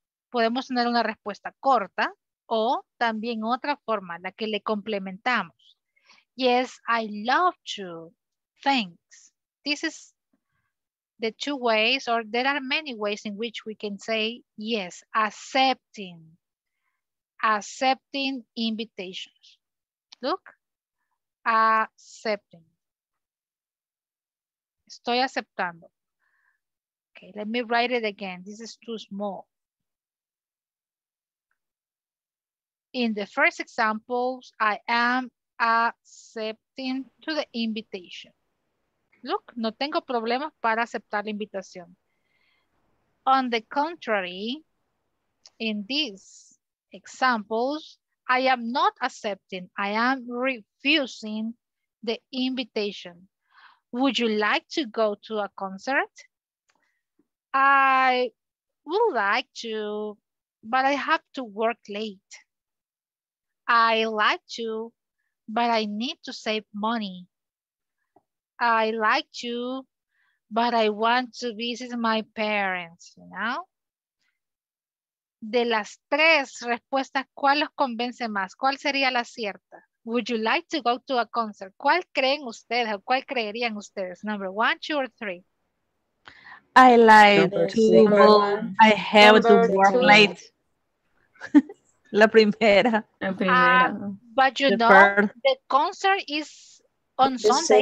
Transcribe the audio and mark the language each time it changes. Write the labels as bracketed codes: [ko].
[es] Podemos tener una respuesta corta o también otra forma, la que le complementamos. [en] Yes, I love to. Thanks. This is the two ways, or there are many ways in which we can say yes, accepting. Accepting invitations. Look, accepting. [es] Estoy aceptando. [en] Okay, let me write it again. This is too small. In the first examples, I am accepting to the invitation. [es] Look, no tengo problemas para aceptar la invitación. [en] On the contrary, in these examples, I am not accepting, I am refusing the invitation. Would you like to go to a concert? I would like to, but I have to work late. I like to, but I need to save money. I like to, but I want to visit my parents, you know? [es] De las tres respuestas, ¿cuál los convence más? ¿Cuál sería la cierta? [en] Would you like to go to a concert? [es] ¿Cuál creen ustedes o cuál creerían ustedes? [en] Number one, two, or three? I like to go. I have to work late. [es] La primera. [en] But you know, the concert is on Sunday.